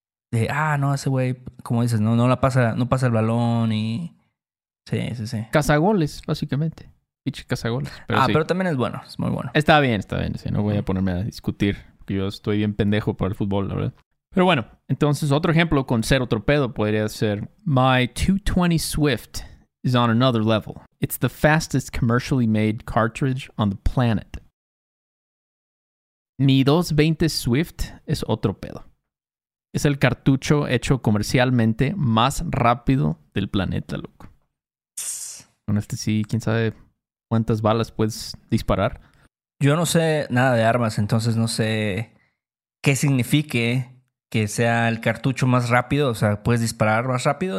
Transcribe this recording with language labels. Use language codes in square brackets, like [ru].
[es] ese güey, como dices, no la pasa, no pasa el balón y... Sí. Cazagoles, básicamente. Pinche cazagoles. Pero también es bueno. Es muy bueno. Está bien. Sí, no voy a ponerme a discutir. Yo estoy bien pendejo para el fútbol, la verdad. Pero bueno, entonces otro ejemplo con ser otro pedo podría ser... [en] My 220 Swift is on another level. It's the fastest commercially made cartridge on the planet. [es] Mi 220 Swift es otro pedo. Es el cartucho hecho comercialmente más rápido del planeta, loco. Con sí, quién sabe cuántas balas puedes disparar. Yo no sé nada de armas, entonces no sé qué signifique que sea el cartucho más rápido. O sea, ¿puedes disparar más rápido?